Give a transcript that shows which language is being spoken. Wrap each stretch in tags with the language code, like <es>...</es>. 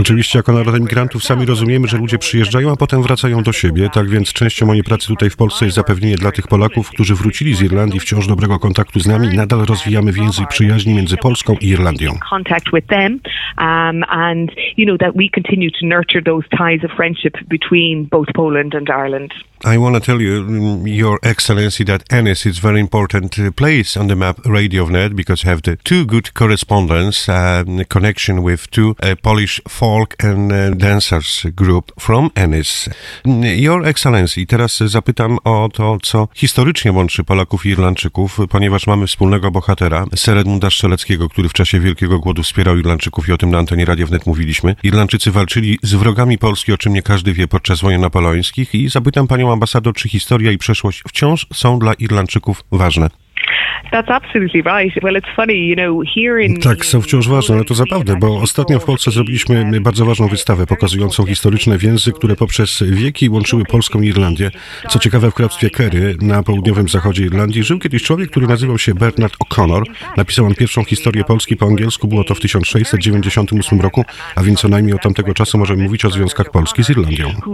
<pl>Oczywiście jako narod imigrantów sami rozumiemy, że ludzie przyjeżdżają, a potem wracają do siebie. Tak więc częścią mojej pracy tutaj w Polsce jest zapewnienie dla tych Polaków, którzy wrócili z Irlandii, wciąż dobrego kontaktu z nami. Nadal rozwijamy więzy przyjaźni między Polską i Irlandią.</pl> <en>Contact with them, and you know that we continue to nurture those ties of friendship between both Poland and Ireland. I want to tell you, Your Excellency, that Ennis is very important place on the map, RadioNet, because you have the two good correspondents, connection with two Polish folk and dancers group from Ennis. Your Excellency,</en> <pl>teraz zapytam o to, co historycznie łączy Polaków i Irlandczyków, ponieważ mamy wspólnego bohatera, Sir Edmunda Strzeleckiego, który w czasie Wielkiego Głodu wspierał Irlandczyków i o tym na antenie RadioNet mówiliśmy. Irlandczycy walczyli z wrogami Polski, o czym nie każdy wie, podczas wojen napoleońskich, i zapytam panią ambasador, czy historia i przeszłość wciąż są dla Irlandczyków ważne?</pl> <en>That's absolutely right. Well, it's funny, you know, here in...</en> <pl>Tak, są wciąż ważne, ale to zabawne, bo ostatnio w Polsce zrobiliśmy bardzo ważną wystawę pokazującą historyczne więzy, które poprzez wieki łączyły Polską i Irlandię. Co ciekawe, w hrabstwie Kerry na południowym zachodzie Irlandii żył kiedyś człowiek, który nazywał się Bernard O'Connor. Napisał on pierwszą historię Polski po angielsku, było to w 1698 roku, a więc co najmniej od tamtego czasu możemy mówić o związkach Polski z Irlandią.</pl>